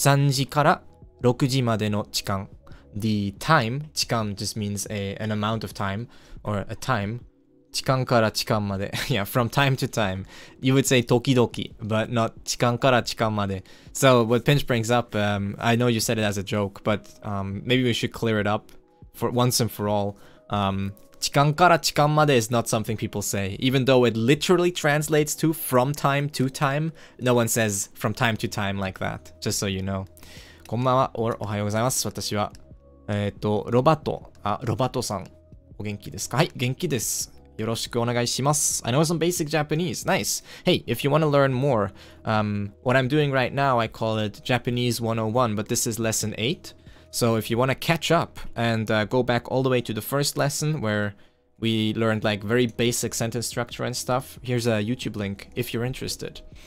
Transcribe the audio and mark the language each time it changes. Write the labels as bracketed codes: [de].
[ja] 時から6時までの時間 [en] the time, 時間 just means an amount of time or a time時間から時間まで yeah, from time to time you would say 時々 but not 時間から時間まで so what Pinch brings up I know you said it as a joke but maybe we should clear it up for once and for all 時間から時間まで is not something people say even though it literally translates to from time to time no one says from time to time like that just so you know [ja] こんばんは or おはようございます私はロバトあロバトさんお元気ですかはい元気ですよろしくお願いします。 [en] I know some basic Japanese. Nice. Hey, if you want to learn more, what I'm doing right now, I call it Japanese 101, but this is lesson 8. So if you want to catch up and go back all the way to the first lesson where we learned like very basic sentence structure and stuff, here's a YouTube link if you're interested.